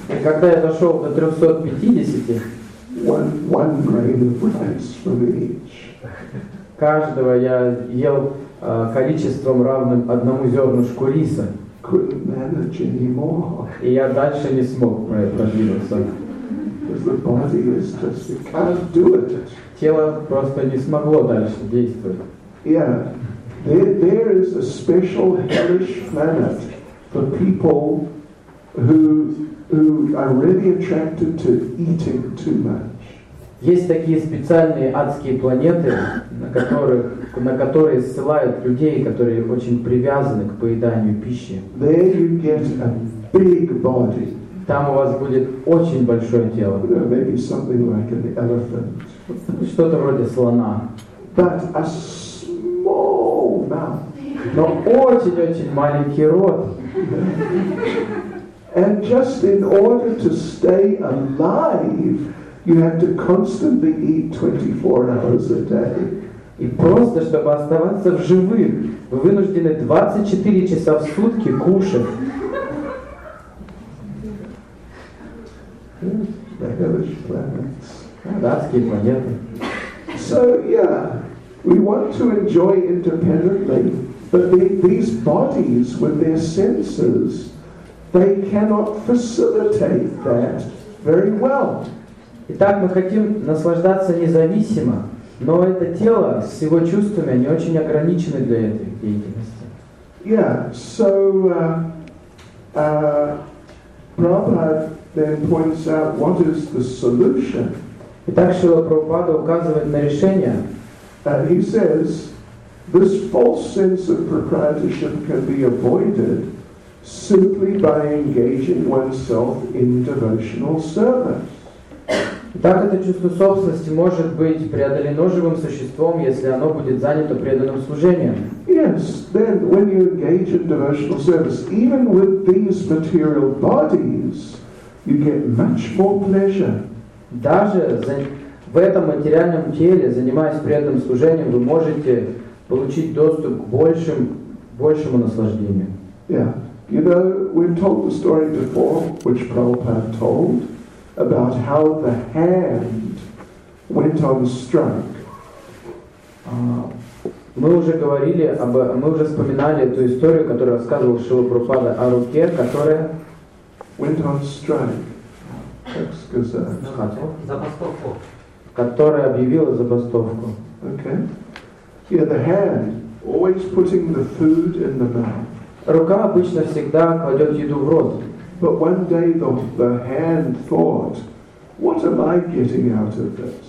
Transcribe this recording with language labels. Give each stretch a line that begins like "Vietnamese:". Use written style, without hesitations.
Russian: И когда я дошел до 350.
English: One grain of rice from each.
Russian: Каждого я ел количеством равным одному зернышку риса.
English: Couldn't manage anymore.
Russian: И я дальше не смог продвинуться.
English: Because the body is just, it can't do it.
Russian: Тело просто не смогло дальше действовать.
English: Yeah, there is a special hellish planet for people who are really attracted to eating too much.
Russian: Есть такие специальные адские планеты, на которые ссылают людей, которые очень привязаны к поеданию пищи.
English: There you get a big body.
Russian: Там у вас будет очень большое тело.
English: You know, maybe something like an elephant.
Russian: Что-то вроде слона.
English: But a small mouth.
Russian: Но очень-очень маленький рот.
English: And just in order to stay alive, you have to constantly eat 24 hours a day.
Russian: И просто чтобы оставаться в живых, вы вынуждены 24 часа в сутки кушать.
English: Hellish planets.
Russian: Адские планеты.
English: So yeah, we want to enjoy independently, but these bodies with their senses, they cannot facilitate that very well.
Russian: Итак, мы хотим наслаждаться независимо, Но это тело с его чувствами не очень ограничено для этой деятельности.
English: Yeah, so Prabhupada then points out what is the solution.
Russian: Итак, Шрила Прабхупада указывает на решение.
English: He says this false sense of proprietorship can be avoided simply by engaging oneself in devotional service.
Russian: Так это чувство собственности может быть преодолено живым существом, если оно будет занято преданным служением.
English: Yes, then when you engage in devotional service, even with these material bodies, you get much more pleasure.
Russian: Даже в этом материальном теле, занимаясь преданным служением, вы можете получить доступ к большему наслаждению.
English: Yeah, you know, we've told the story before, which Prabhupada told. About how the hand went on strike.
Russian: Мы уже вспоминали эту историю, которую рассказывал Шрила Прабхупада о руке, которая
English: went on strike.
Russian: Забастовку. Которая объявила забастовку.
English: Okay. Yeah, the hand always putting the food in the mouth.
Russian: Рука обычно всегда кладет еду в рот.
English: But one day the hand thought, "What am I getting out of this?"